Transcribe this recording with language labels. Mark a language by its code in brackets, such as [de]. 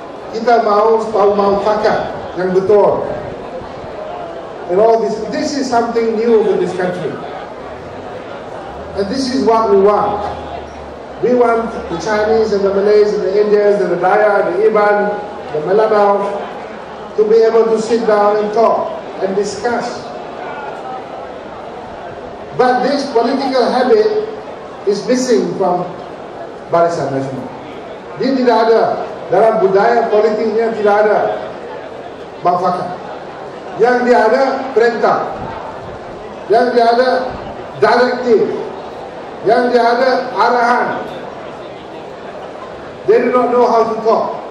[ms] Kita mahu sepau mahu pakat yang betul. [en] And all this, this is something new for this country. And this is what we want. We want the Chinese and the Malays and the Indians and the Dayak, the Iban, the Melanau, to be able to sit down and talk and discuss. But this political habit is missing from Barisan Nasional. [ms] Dia tidak ada dalam budaya politiknya, tidak ada manfaat. Yang dia ada perintah, yang dia ada direktif, yang dia ada arahan. [en] They do not know how to talk.